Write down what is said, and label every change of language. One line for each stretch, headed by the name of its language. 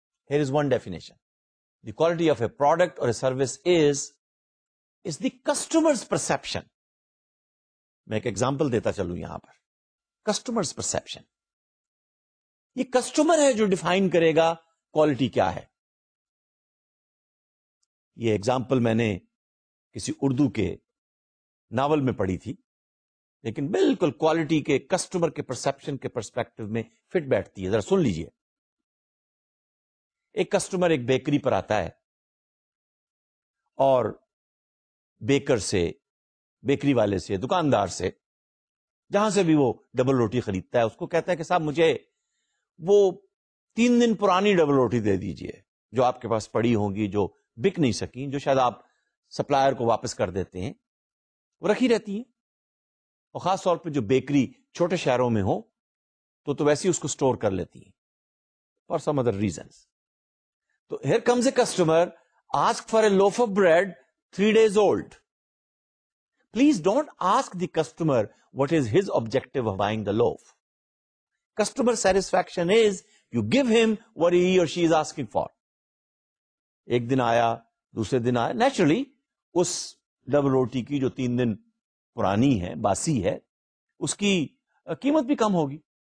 English: Here is one definition, the quality of a product or a service is the customers perception.
Urdu: میں ایک example دیتا چلوں یہاں پر, کسٹمرز پرسپشن. یہ کسٹمر ہے جو ڈیفائن کرے گا کوالٹی کیا ہے. یہ ایگزامپل میں نے کسی اردو کے ناول میں پڑھی تھی لیکن بالکل کوالٹی کے کسٹمر کے پرسپشن کے پرسپیکٹو میں فٹ بیٹھتی ہے. ذرا سن لیجئے. ایک کسٹمر ایک بیکری پر آتا ہے اور بیکر سے, بیکری والے سے, دکاندار سے, جہاں سے بھی وہ ڈبل روٹی خریدتا ہے, اس کو کہتا ہے کہ صاحب مجھے وہ 3 دن پرانی ڈبل روٹی دے دیجئے جو آپ کے پاس پڑی ہوں گی, جو بک نہیں سکیں, جو شاید آپ سپلائر کو واپس کر دیتے ہیں, وہ رکھی رہتی ہیں. اور خاص طور پہ جو بیکری چھوٹے شہروں میں ہو تو ویسی اس کو سٹور کر لیتی ہیں
English: For some other reasons. تو here comes a customer ask for a loaf of bread 3 days old. Please don't ask the customer what is his objective of buying the loaf. Customer satisfaction is you give him what he or she is asking for.
Urdu: ایک دن آیا, دوسرے دن آیا, naturally اس double روٹی کی جو 3 دن پرانی ہے, باسی ہے, اس کی قیمت بھی کم ہوگی.